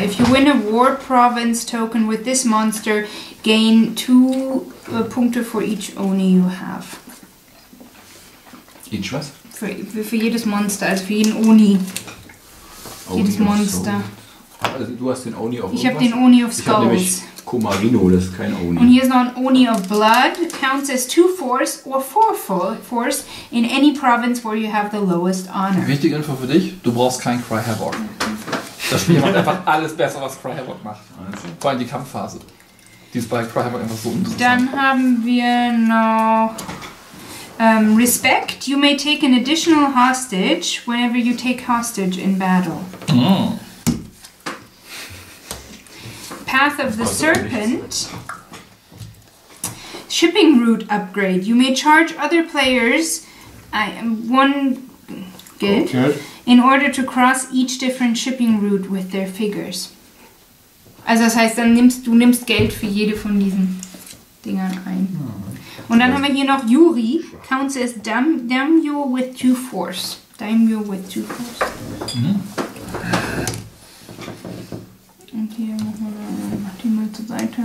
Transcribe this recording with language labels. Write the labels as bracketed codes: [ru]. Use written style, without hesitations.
[en] If you win a War Province Token with this monster, gain 2 [de] Punkte [en] for each Oni you have. Each [de] was? Für jedes Monster, also für jeden Oni. Jedes Monster. Also du hast den Oni of Souls. Ich habe den Oni of Skulls. Ich habe nämlich Kumarino, das ist kein Oni. Und hier ist noch ein Oni of Blood. [en] Counts as 2 Force or 4 Force in any province where you have the lowest honor. [de] Wichtige Info für dich, du brauchst kein Cry Havoc. Das Spiel macht einfach alles besser, was Cry Havoc macht. Vor allem die Kampfphase. Die ist bei Cry Havoc einfach so interessant. Dann haben wir noch Respect. [en] You may take an additional hostage whenever you take hostage in battle. Oh. Path of the Serpent. Shipping route upgrade. You may charge other players one guild in order to cross each different shipping route with their figures. [de] Also das heißt, dann nimmst Geld für jede von diesen Dingern ein. Und dann haben wir hier noch Yuri. [en] Counts as Daimyo with 2 Force. Daimyo with 2 Force. [de] Und hier mach die mal zur Seite.